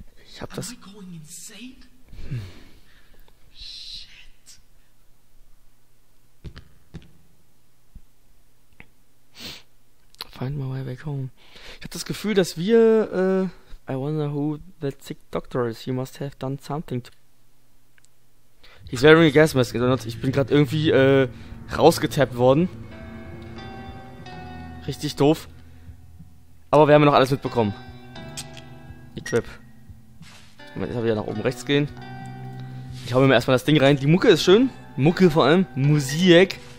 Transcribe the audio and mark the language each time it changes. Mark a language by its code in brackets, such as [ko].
[de] Ich habe das... [en] Am I going insane? Shit. Find my way back home. [de] Ich habe das Gefühl, dass wir... [en] I wonder who that sick doctor is. He must have done something to... He's wearing a gas mask. [de] Ich bin gerade irgendwie rausgetappt worden. Richtig doof. Aber wir haben ja noch alles mitbekommen. Equip. Jetzt habe ich ja nach oben rechts gehen. Ich hau mir erstmal das Ding rein. Die Mucke ist schön. Mucke vor allem. Musik.